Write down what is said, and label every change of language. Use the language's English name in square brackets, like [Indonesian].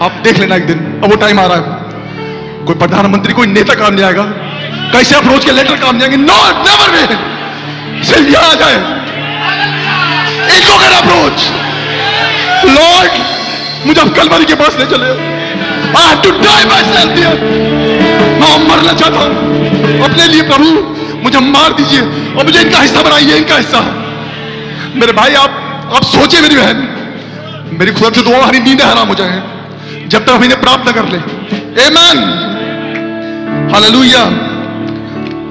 [Hindi] आप देख लेना एक दिन, अब वो टाइम आ रहा है. कोई प्रधानमंत्री, कोई नेता काम नहीं आएगा, कैसे अप्रोच के लेटर काम नहीं आएंगे, नो नेवर. सिर्फ यहां आ जाए एक अप्रोच, लॉर्ड मुझे अब कलवरी के पास ले चले. [English] I have to die myself here. [Hindi] मैं मरना चाहता हूं अपने लिए, प्रभु मुझे मार दीजिए और मुझे इनका हिस्सा बनाइए, इनका हिस्सा. मेरे भाई आप सोचे, मेरी बहन, मेरी खुदा से दुआ, हरी नींद हराम हो जाए जब तक हम इन्हें प्राप्त न कर ले. Amen. Hallelujah.